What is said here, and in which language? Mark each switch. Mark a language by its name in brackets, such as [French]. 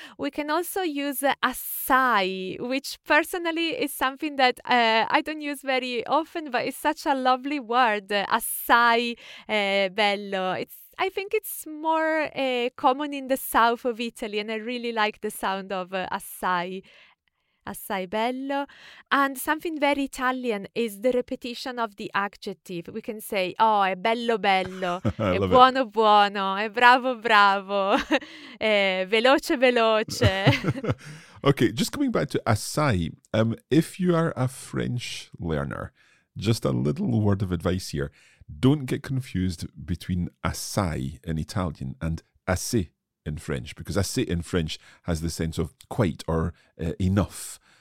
[English] We can also use assai, which personally is something that I don't use very often, but it's such a lovely word, [Italian] assai bello. [English] I think it's more common in the south of Italy, and I really like the sound of assai. [Italian] Assai bello. [English] And something very Italian is the repetition of the adjective. We can say, [Italian] oh, è bello bello, è buono it. Buono, è bravo bravo, è veloce veloce. [English] Okay, just coming back to assai, if you are a French learner, just a little word of advice here. Don't get confused between assai in Italian and assai in French, because assai in French has the sense of quite or enough.